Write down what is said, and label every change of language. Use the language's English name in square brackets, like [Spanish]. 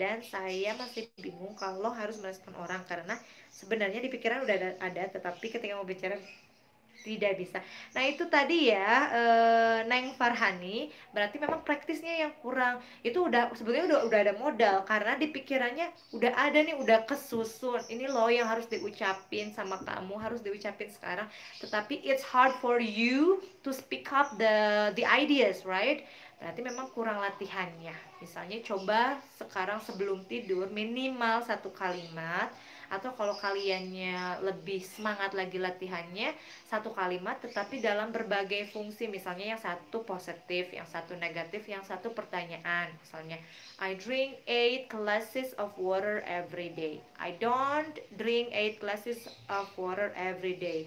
[Indonesian] Dan saya masih bingung kalau harus merespon orang karena sebenarnya di pikiran udah ada, tetapi ketika mau bicara tidak bisa. Nah itu tadi ya, Neng Farhani, berarti memang praktisnya yang kurang. Itu udah sebenarnya udah ada modal karena di pikirannya udah ada nih, udah kesusun. Ini loh yang harus diucapin sama kamu, harus diucapin sekarang. Tetapi [English] it's hard for you to speak up the ideas, right? [Indonesian] Berarti memang kurang latihannya. Misalnya coba sekarang sebelum tidur minimal satu kalimat. Atau kalau kaliannya lebih semangat lagi latihannya, satu kalimat tetapi dalam berbagai fungsi. Misalnya yang satu positif, yang satu negatif, yang satu pertanyaan. [English] Misalnya, I drink 8 glasses of water every day. I don't drink 8 glasses of water every day.